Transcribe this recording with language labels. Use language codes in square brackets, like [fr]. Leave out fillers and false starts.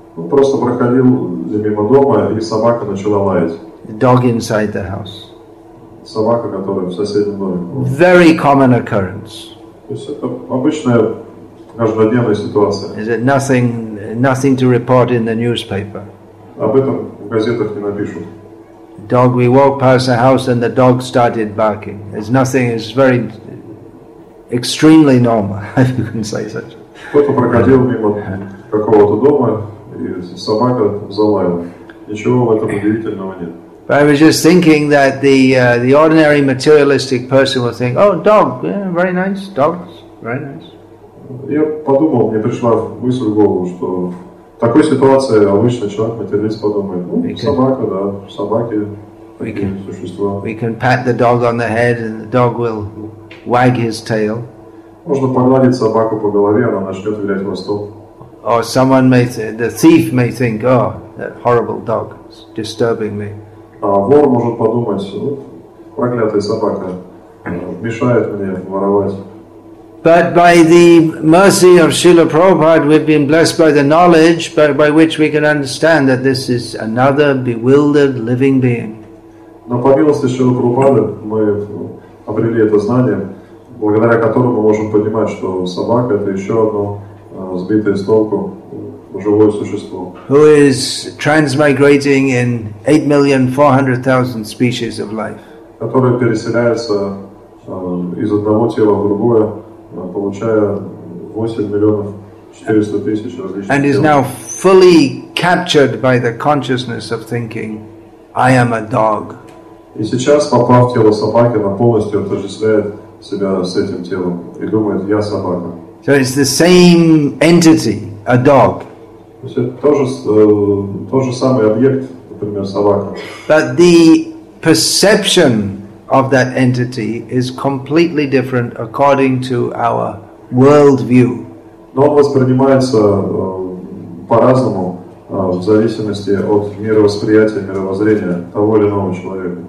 [ru] Ну, просто проходил мимо дома, и собака начала лаять. [en] The dog inside the house. [ru] Собака, которая в соседнем доме. [en] Very common occurrence. [ru] То есть это обычная каждодневная ситуация. [en] Is it nothing to report in the newspaper? [ru] Об этом в газетах не напишут. [en] Dog, we walked past the house and the dog started barking. It's nothing, it's very extremely normal, if you can say such. [ru] Кто-то проходил мимо какого-то дома, и собака залаяла. Ничего в этом удивительного нет. [en] But I was just thinking that the ordinary materialistic person will think, oh, dog, yeah, very nice, dogs, very nice. [ru] Я подумал, мне пришла мысль в голову, что в такой ситуации обычно человек материалист подумает, ну, собака, да, собаки, существа. [en] We can pat the dog on the head and the dog will wag his tail. [ru] Можно погладить собаку по голове, она начнет вилять хвостом. [en] Or someone may the thief may think, oh, that horrible dog is disturbing me. [ru] А вор может подумать, ну, проклятая собака мешает мне воровать. [en] But by the mercy of Srila Prabhupada, we've been blessed by the knowledge by which we can understand that this is another bewildered living being. [ru] Но по милости Шрилы Прабхупады мы обрели это знание, благодаря которому мы можем понимать, что собака — это еще одно сбитое с толку живое существо. [en] Who is transmigrating in 8,400,000 species of life. [ru] Которое переселяется из одного тела в другое, получая 8,400,000 различных тел. [en] And is now fully captured by the consciousness of thinking, I am a dog. [ru] И сейчас, попав в тело собаки, она полностью отождествляет себя с этим телом и думает, я собака. [en] So it's the same entity, a dog. [ru] То есть это тот же самый объект, например, собака. [en] But the perception of that entity is completely different according to our world view. [ru] Но он воспринимается по-разному в зависимости от мировосприятия, мировоззрения того или иного человека.